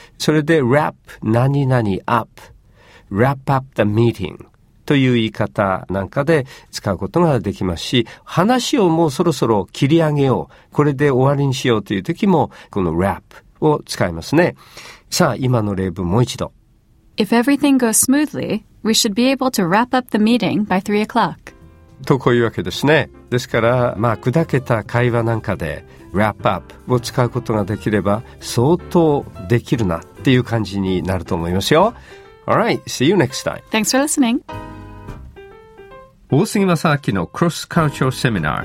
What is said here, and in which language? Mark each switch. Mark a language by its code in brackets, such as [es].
[ja] それで wrap 何々 up、 [en] wrap up the meeting [ja] という言い方なんかで使うことができますし、話をもうそろそろ切り上げよう、これで終わりにしようという時もこの wrap を使いますね。さあ今の例文もう一度。 [en] If everything goes smoothly, we should be able to wrap up the meeting by 3 o'clock [ja] と、こういうわけですね。ですから、まあ、砕けた会話なんかで wrap up を使うことができれば相当できるなっていう感じになると思いますよ。 [en] All right, see you next time. Thanks for listening. [ja] 大杉正明のクロスカルチャーセミナ